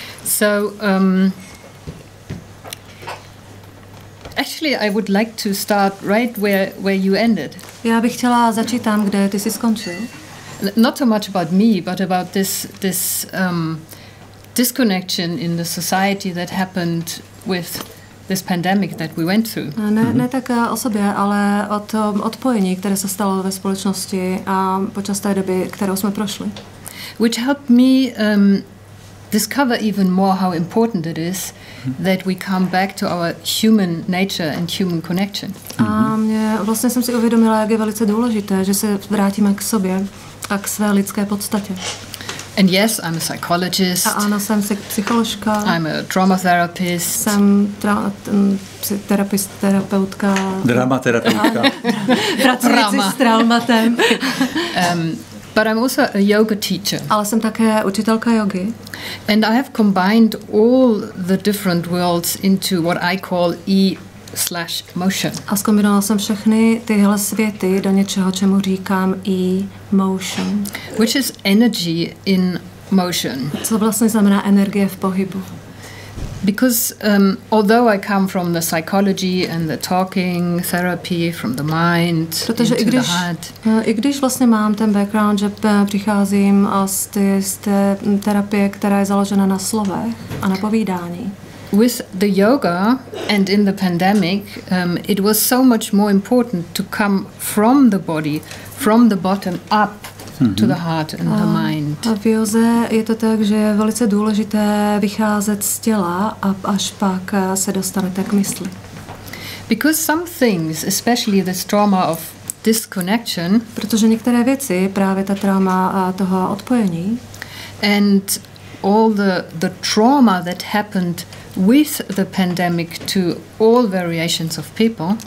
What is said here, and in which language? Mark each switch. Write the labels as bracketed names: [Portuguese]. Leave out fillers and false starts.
[English] So, actually, I would like to start right where you ended. [Czech] Já bych chtěla začít tam, kde ty jsi skončil. [English] Not so much about me, but about this disconnection in the society that happened with this pandemic that we went through. [Czech] Ne tak o sobě, ale o tom odpojení, které se stalo ve společnosti a počas té doby, kterou jsme prošli. [English] Which helped me discover even more how important it is that we come back to our human nature and human connection. [Czech] A mě, vlastně jsem si uvědomila, jak je velice důležité, že se vrátíme k sobě a k své lidské podstatě. [English] And yes, I'm a psychologist. [Czech] A ano, jsem psycholožka. [English] I'm a drama therapist. [Czech] Jsem terapeutka. Drama terapeutka. Pracující s traumatem. [English] But I'm also a yoga teacher. [Czech] Ale jsem také učitelka jógy. [English] And I have combined all the different worlds into what I call E/motion. [Czech] A zkombinovala jsem všechny tyhle světy do něčeho, čemu říkám E/motion. [English] Which is energy in motion. [Czech] Co vlastně znamená energie v pohybu? [English] Because although I come from the psychology and the talking therapy from the mind [Czech] protože [English] into [Czech] i když, [English] the heart. [Czech] I když vlastně mám ten background, že přicházím z té terapie, která je založena na slovech a na povídání. [English] With the yoga and in the pandemic, it was so much more important to come from the body, from the bottom up. Mm-hmm. To the heart and the mind. [Czech] A v józe je to tak, že je velice důležité vycházet z těla a až pak se dostanete k mysli. [English] Because some things, especially this trauma of disconnection, [Czech] protože některé věci, právě ta trauma toho odpojení, [English] and all the trauma that happened with the pandemic to all variations of people,